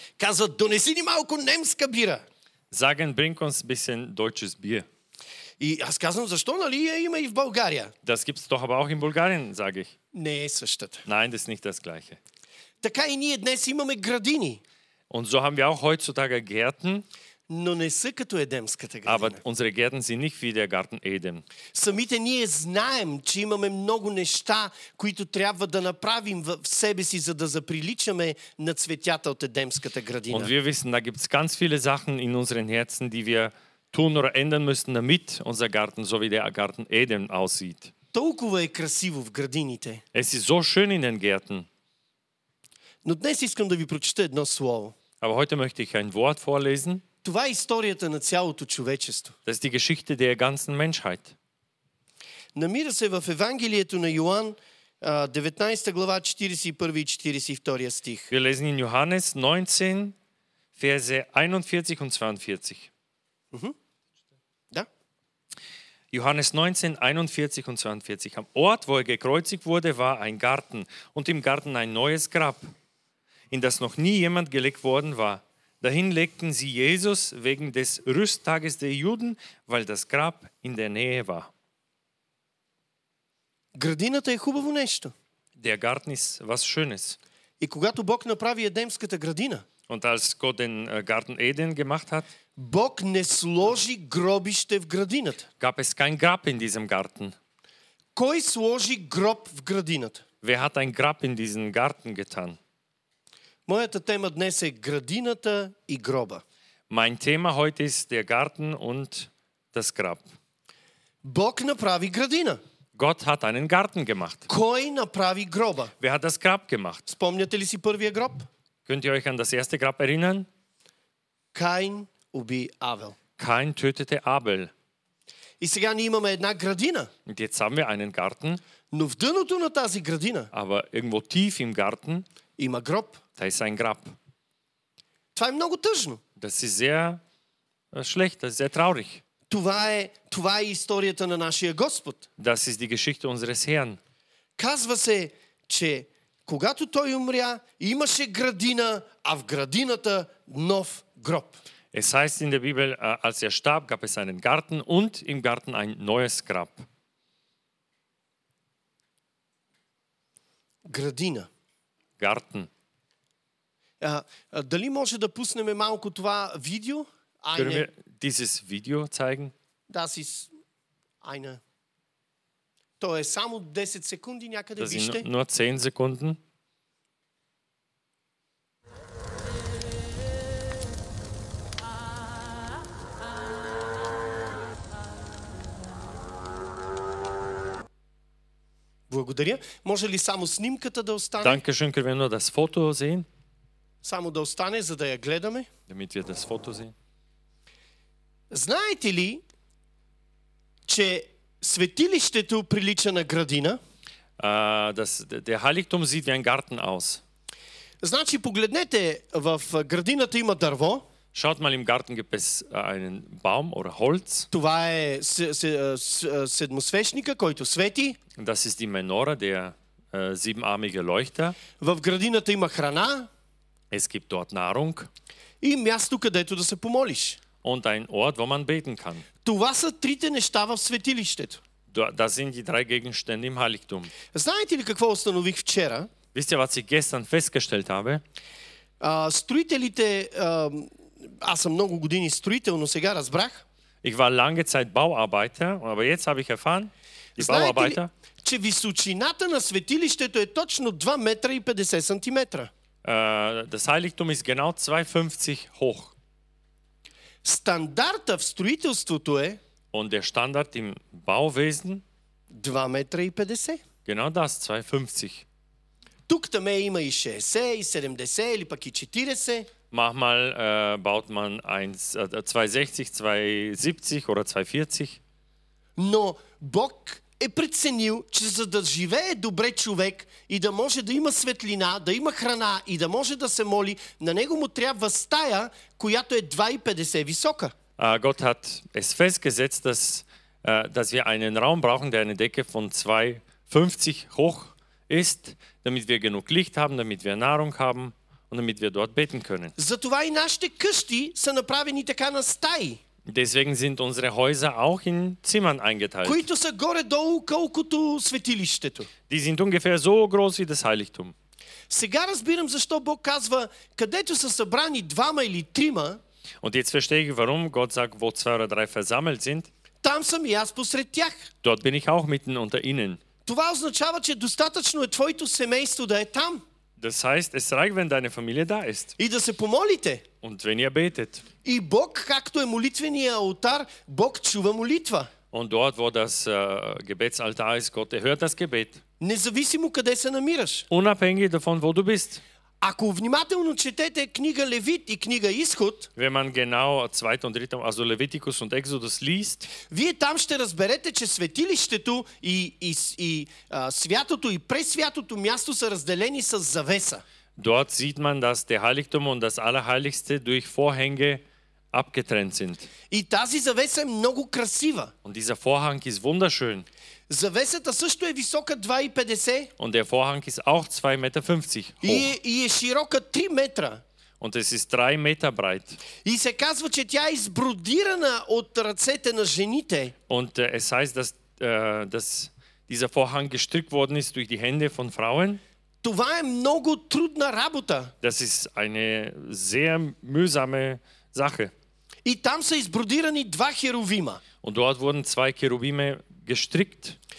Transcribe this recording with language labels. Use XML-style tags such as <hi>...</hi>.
<bg>казват, донеси ни малко немска бира.</bg> <de>Sagen, bring uns ein bisschen deutsches Bier.</de> <bg>И аз казвам, защо, нали, има и в България?</bg> <de>Das gibt's doch aber auch in Bulgarien, sage ich.</de> <bg>Не, същата.</bg> <de>Nein, das ist nicht das gleiche.</de> <bg>Така и ние днес имаме градини.</bg> <de>Und so haben wir auch heutzutage Gärten.</de> <bg>Но не са като Едемската градина.</bg> <de>Aber unsere Gärten sind nicht wie der Garten Eden.</de> <bg>Самите ние знаем, че имаме много неща, които трябва да направим в себе си, за да заприличаме на цветята от Едемската градина.</bg> <de>Und wir wissen, da gibt's ganz viele Sachen in unseren Herzen, die wir tun oder ändern müssen, damit unser Garten so wie der Garten Eden aussieht.</de> <bg>Толкова е красиво в градините.</bg> <de>Es ist so schön in den Gärten.</de> <bg>Но днес искам да ви прочета едно слово.</bg> <de>Aber heute möchte ich ein Wort vorlesen.</de> <bg>Това е историята на цялото човечество.</bg> <de>Das ist die Geschichte der ganzen Menschheit.</de> <bg>Намира се в Евангелието на Йоан, 19 глава, 41 и 42 стих.</bg> <de>Wir lesen in Johannes 19, Verse 41 und 42. Da. Johannes 19, 41 und 42. Am Ort, wo er gekreuzigt wurde, war ein Garten und im Garten ein neues Grab, in das noch nie jemand gelegt worden war. Dahin legten sie Jesus wegen des Rüsttages der Juden, weil das Grab in der Nähe war.</de> <bg>Градината е хубаво нещо.</bg> <de>Der Garten ist was Schönes.</de> <bg>И когато Бог направи Едемската градина,</bg> <de>und als Gott den Garten Eden gemacht hat,</de> <bg>Бог не сложи гробище в градината.</bg> <de>Gab es kein Grab in diesem Garten.</de> <bg>Кой сложи гроб в градината?</bg> <de>Wer hat ein Grab in diesen Garten getan?</de> <bg>Моята тема днес е градината и гроба.</bg> <de>Mein Thema heute ist der Garten und das Grab.</de> <bg>Бог направи градина.</bg> <de>Gott hat einen Garten gemacht.</de> <bg>Кой направи гроба?</bg> <de>Wer hat das Grab gemacht?</de> <bg>Спомняте ли си първия гроб?</bg> <de>Könnt ihr euch an das erste Grab erinnern?</de> <bg>Kain убий Авел.</bg> <de>Kain tötete Abel.</de> <bg>И сега ние имаме една градина.</bg> <de>Und jetzt haben wir einen Garten.</de> <bg>Но в дъното на тази градина.</bg> <de>Aber irgendwo tief im Garten.</de> <bg>Има гроб.</bg> <de>Da ist ein Grab.</de> <bg>Това е много тъжно.</bg> <de>Das ist sehr schlecht, das ist sehr traurig.</de> <bg>Това е историята на нашия Господ.</bg> <de>Das ist die Geschichte unseres Herrn.</de> <bg>Казва се, че когато той умря, имаше градина, а в градината нов гроб.</bg> <de>Es heißt in der Bibel, als er starb, gab es einen Garten und im Garten ein neues Grab.</de> <bg>Градина.</bg> <de>Garten.</de> <bg>Дали може да пуснем малко това видео?</bg> <de>Können wir dieses Video zeigen? Das ist eine.</de> <bg>То е само 10 секунди някъде,</bg> <de>das</de> <bg>вижте.</bg> <de>Das sind nur 10 Sekunden.</de> <bg>Благодаря. Може ли само снимката да остане?</bg> <de>Danke schön, können wir nur das Foto sehen?</de> <bg>Само да остане, за да я гледаме.</bg> <de>Damit wir das Foto sehen.</de> <bg>Знаете ли, че светилището прилича на градина?</bg> <de>Der Heiligtum sieht wie ein Garten aus.</de> <bg>Значи, погледнете, в градината има дърво.</bg> <de>Schaut mal, im Garten gibt es einen Baum oder Holz.</de> <bg>Това е седмосвещника, който свети.</bg> <de>Das ist die Menora, der siebenarmige Leuchter.</de> <bg>В градината има храна.</bg> <de>Es gibt dort Nahrung.</de> <bg>И място, където да се помолиш.</bg> <de>Und ein Ort, wo man beten kann.</de> <bg>Това са трите неща в светилището.</bg> <de>Das sind die drei Gegenstände im Heiligtum.</de> <bg>Знаете ли какво установих вчера?</bg> <de>Wisst ihr, was ich gestern festgestellt habe?</de> <bg>Строителите, аз съм много години строител, но сега разбрах.</bg> <de>Ich war lange Zeit Bauarbeiter, aber jetzt habe ich erfahren, die Bauarbeiter,</de> <bg>ли, че височината на светилището е точно 2 метра и 50 сантиметра.</bg> <de>Das Heiligtum ist genau 2,50 hoch.</de> <bg>Стандарта в строителството е,</bg> <de>und der Standard im Bauwesen,</de> <bg>2 метра и 50.</bg> <de>Genau das, 2,50.</de> <bg>Тук-таме има и 60, и 70, или пък и 40.</bg> <de>Manchmal baut man 260, 270 oder 240.</de> <bg>Но Бог е преценил, че за да живее добре човек и да може да има светлина, да има храна и да може да се моли, на него му трябва стая, която е 2,50 висока.</bg> <de>Gott hat es festgesetzt, dass wir einen Raum brauchen, der eine Decke von 2,50 hoch ist, damit wir genug Licht haben, damit wir Nahrung haben und damit wir dort beten können.</de> <bg>Затова и нашите къщи са направени така на стаи.</bg> <de>Deswegen sind unsere Häuser auch in Zimmern eingeteilt.</de> <bg>Които са горе-долу колкото светилището.</bg> <de>Die sind ungefähr so groß wie das Heiligtum.</de> <bg>Сега разбирам защо Бог казва, където са събрани двама или трима.</bg> <de>Und jetzt verstehe ich, warum Gott sagt, wo zwei oder drei versammelt sind.</de> <bg>Там съм и аз посред тях.</bg> <de>Dort bin ich auch mitten unter ihnen.</de> <bg>Това означава, че достатъчно е твоето семейство да е там.</bg> <de>Das heißt, es reicht, wenn deine Familie da ist.</de> <bg>И да се помолите.</bg> <de>Und wenn ihr betet.</de> <bg>И Бог, както е молитвения алтар, Бог чува молитва.</bg> <de>Und dort, wo das Gebetsaltar ist, Gott hört das Gebet.</de> <bg>Независимо къде се намираш.</bg> <de>Unabhängig davon, wo du bist.</de> <bg>Ако внимателно четете книга Левит и книга Изход,</bg> <de>wenn man genau 2. und 3. also Leviticus und Exodus liest,</de> <bg>вие там ще разберете, че светилището и святото и пресвятото място са разделени с завеса.</bg> <de>Dort sieht man, dass der Heiligtum und das Allerheiligste durch Vorhänge abgetrennt sind.</de> <bg>И тази завеса е много красива.</bg> <de>Und dieser Vorhang ist wunderschön.</de> <bg>Завесата също е висока 2,50.</bg> <de>Und der Vorhang ist auch 2,50 m hoch.</de> <bg>И е широка 3 метра.</bg> <de>Und es ist 3 Meter breit.</de> <bg>И се казва, че тя е избродирана от ръцете на жените.</bg> <de>Und es heißt, dass dieser Vorhang gestrickt worden ist durch die Hände von Frauen.</de> <bg>Това е много трудна работа.</bg> <de>Das ist eine sehr mühsame Sache.</de> <bg>И там са избродирани два херувима.</bg> <de>Und dort wurden zwei Cherubime gestrickt.</de>